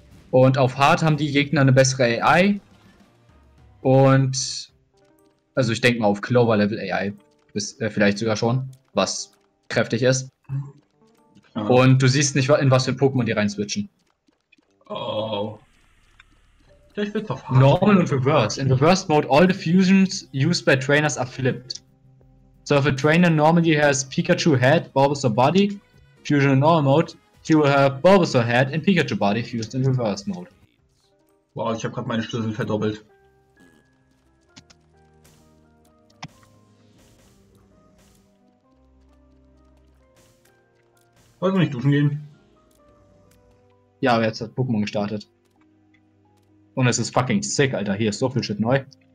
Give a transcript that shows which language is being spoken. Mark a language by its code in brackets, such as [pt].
[de] Und auf Hard haben die Gegner eine bessere AI. Und also ich denke mal auf Clover Level AI vielleicht sogar schon, was kräftig ist. Ja. Und du siehst nicht, in was für Pokémon die rein switchen. Oh. Vielleicht wird's auf Hard. Normal und Reverse. [en] In Reverse Mode all the fusions used by trainers are flipped. So if a trainer normally has Pikachu Head, Bulbasaur Body, Fusion in Normal Mode, he will have Bulbasaur Head and Pikachu Body fused in Reverse Mode. [de] Wow, ich habe gerade meine Schlüssel verdoppelt. Wollen wir nicht duschen gehen? Ja, aber jetzt hat Pokémon gestartet. Und es ist fucking sick, Alter. Hier ist so viel Shit neu.